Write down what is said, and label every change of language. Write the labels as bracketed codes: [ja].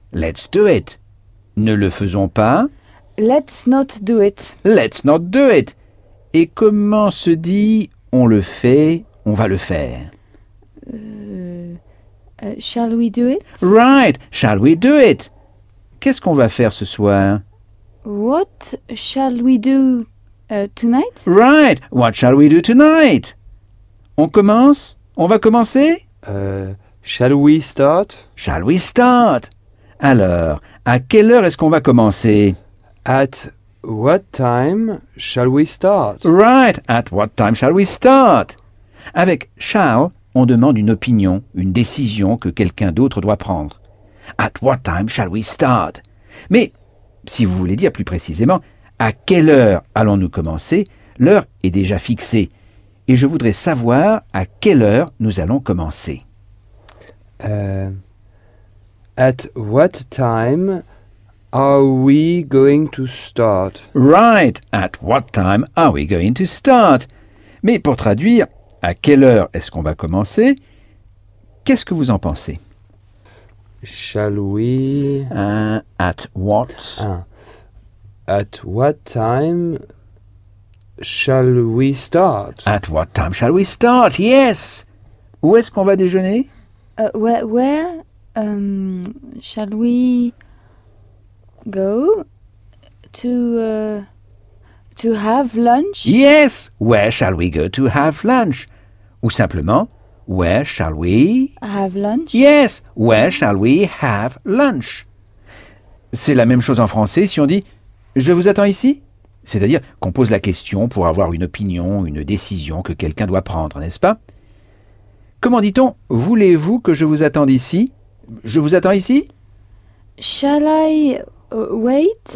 [en] Let's do it. [fr] Ne le faisons pas. [en] Let's not do it. Let's not do it. [fr] Et comment se dit on le fait, on va le faire? [en] Shall we do it? Right, shall we do it? [fr] Qu'est-ce qu'on va faire ce soir? [en] What shall we do tonight? Right, what shall we do tonight? [fr] On commence? On va commencer? [en] Shall we start? Shall we start? [fr] Alors, à quelle heure est-ce qu'on va commencer? [en] At what time shall we start? Right, at what time shall we start? [fr] Avec shall, on demande une opinion, une décision que quelqu'un d'autre doit prendre. [en] At what time shall we start? [fr] Mais, si vous voulez dire plus précisément, à quelle heure allons-nous commencer? L'heure est déjà fixée. Et je voudrais savoir à quelle heure nous allons commencer. [en] At what time are we going to start? Right. At what time are we going to start? [fr] Mais pour traduire, à quelle heure est-ce qu'on va commencer? Qu'est-ce que vous en pensez? [en] Shall we... At what? At what time shall we start? At what time shall we start? Yes! [fr] Où est-ce qu'on va déjeuner? [en] Where shall we go to have lunch? Yes! Where shall we go to have lunch? [fr] Ou simplement, [en] where shall we... Have lunch? Yes! Where shall we have lunch? [fr] C'est la même chose en français si on dit « Je vous attends ici ?» C'est-à-dire qu'on pose la question pour avoir une opinion, une décision que quelqu'un doit prendre, n'est-ce pas? Comment dit-on « Voulez-vous que je vous attende ici ?»« Je vous attends ici ?»« [en] Shall I wait ?»